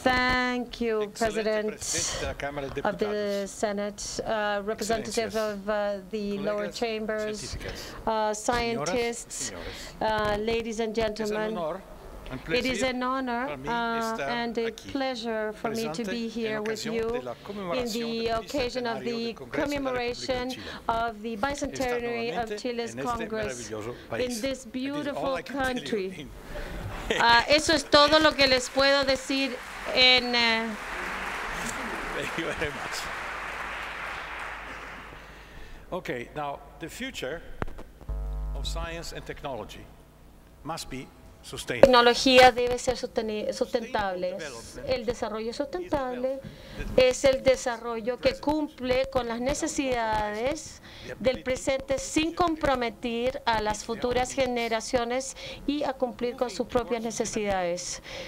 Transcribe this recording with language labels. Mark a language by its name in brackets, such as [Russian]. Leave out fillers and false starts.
[English] Thank you, President of the Senate, representative of the lower chambers, scientists, ladies and gentlemen. It is an honor and a pleasure for me to be here with you in the occasion of the commemoration of the bicentenary of Chile's Congress in this beautiful country. [Spanish] Eso es todo lo que les puedo decir en. [English] Thank you very much. Okay, now the future of science and technology must be [Spanish] tecnología debe ser sustentable. El desarrollo sustentable es el desarrollo que cumple con las necesidades del presente sin comprometer a las futuras generaciones y a cumplir con sus propias necesidades.